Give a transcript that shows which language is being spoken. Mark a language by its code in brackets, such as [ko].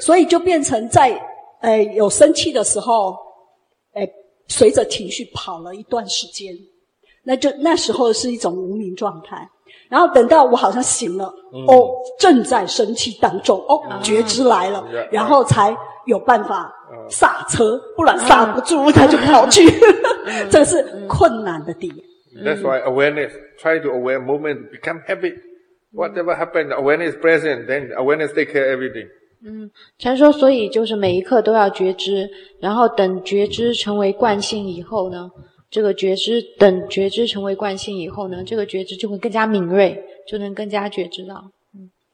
[zh] 所以就变成在有生气的时候，随着情绪跑了一段时间，那时候是一种无名状态。然后等到我好像醒了，嗯，哦，正在生气当中，哦，嗯，觉知来了，嗯，然后才有办法刹车，嗯，不然刹不住，他就跑去。嗯，这是困难的点。 [en] That's why awareness, try to aware moment, become habit. Whatever happened, awareness present, then awareness take care of everything. [zh] 嗯，禅说，所以就是每一刻都要觉知，然后等觉知成为惯性以后呢，这个觉知等觉知成为惯性以后呢，这个觉知就会更加敏锐，就能更加觉知到。嗯。